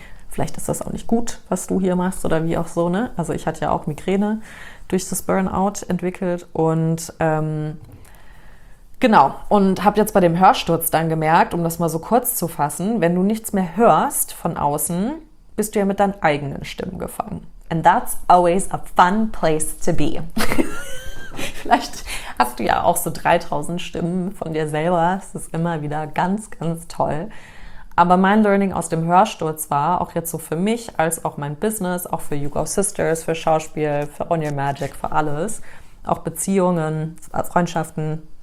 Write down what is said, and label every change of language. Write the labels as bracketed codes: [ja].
[de] Vielleicht ist das auch nicht gut, was du hier machst oder wie auch so, ne? Also ich hatte ja auch Migräne durch das Burnout entwickelt und genau, und habe jetzt bei dem Hörsturz dann gemerkt, um das mal so kurz zu fassen, wenn du nichts mehr hörst von außen, bist du ja mit deinen eigenen Stimmen gefangen. [en] And that's always a fun place to be. [de] Vielleicht hast du ja auch so 3000 Stimmen von dir selber. Das ist immer wieder ganz, ganz toll. Aber mein Learning aus dem Hörsturz war, auch jetzt so für mich, als auch mein Business, auch für YouGov Sisters, für Schauspiel, für On Your Magic, für alles, auch Beziehungen, Freundschaften.